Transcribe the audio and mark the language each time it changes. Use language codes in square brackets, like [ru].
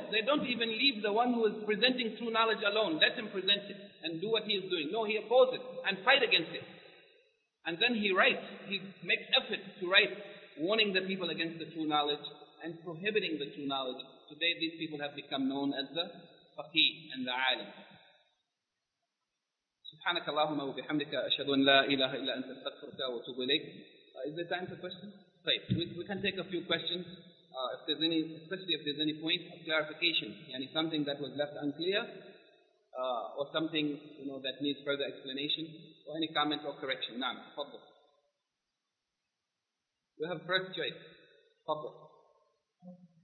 [en] They don't even leave the one who is presenting true knowledge alone. Let him present it and do what he is doing. No, he opposes it and fight against it. And then he writes, he makes effort to write, warning the people against the true knowledge and prohibiting the true knowledge. Today these people have become known as the faqih and the alim. [ar] سبحانك اللهم وبحمدك أشهد أن لا إله إلا أنت استغفرك وأتوب إليك. [en] Is there time for questions? Right. We can take a few questions. If there's any, especially if there's any point of clarification, yani something that was left unclear, or something you know that needs further explanation, or any comment or correction. Naam, tafadhal. We have first choice. Tafadhal.